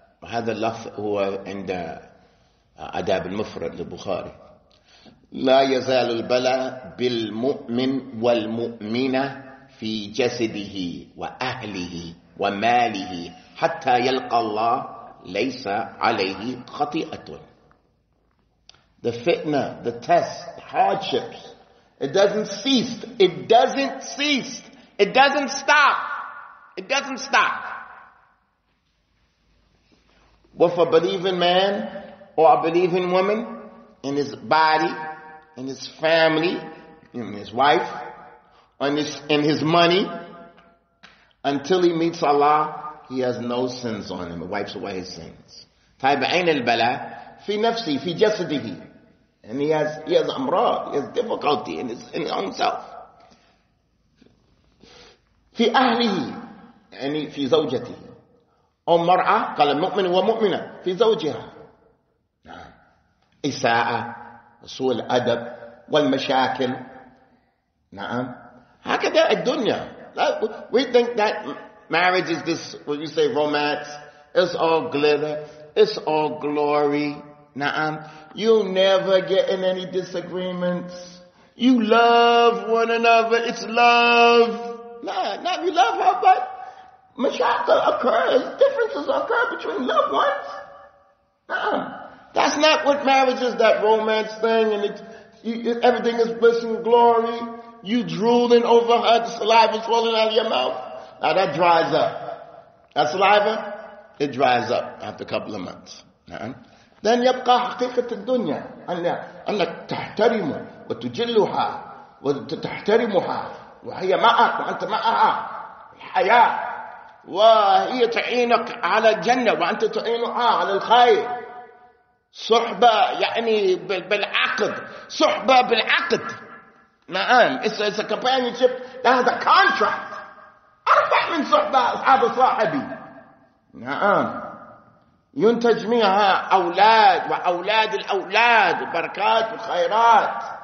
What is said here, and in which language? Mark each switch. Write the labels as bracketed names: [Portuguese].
[Arabic] هذا اللفظ هو عند أداب المفرد للبخاري. لا يزال البلاء بالمؤمن والمؤمنة في جسده وأهله وماله حتى يلقى الله ليس عليه خطيئة. [English] The fitna, the test, the hardships, it doesn't stop. With a believing man or a believing woman in his body and his family, and his wife, and his money, until he meets Allah, he has no sins on him. It wipes away his sins. [Arabic] طيب عين البلاء في نفسي في جسده. [English] And he has amrad, he has difficulty in his in himself. [Arabic] في أهله يعني في زوجته. أم مرعى قال مؤمن ومؤمنة في زوجها. إساءة سوء الأدب والمشاكل. نعم. هكذا الدنيا. [English] We think that marriage is this, what you say, romance. It's all glitter. It's all glory. Na'am. You never get in any disagreements. You love one another. It's love. Nah, you love her, but mashaqqah occurs. Differences occur between loved ones. Na'am. That's not what marriage is, that romance thing. And everything is bliss and glory. You drooling over her, the saliva swelling out of your mouth. Now that dries up. That saliva, it dries up after a couple of months. [Arabic] Then يبقى حقيقة الدنيا أنك تحترم وتجلها وتحترمها وهي معك وأنت معها الحياة وهي تعينك على الجنة وأنت تعينها على الخير. صحبة يعني بالعقد, صحبة بالعقد. نعم, [English] it's a companionship that has a contract. [Arabic] أربع من صحبة أصحاب صاحبي. نعم, ينتج منها أولاد وأولاد الأولاد وبركات وخيرات.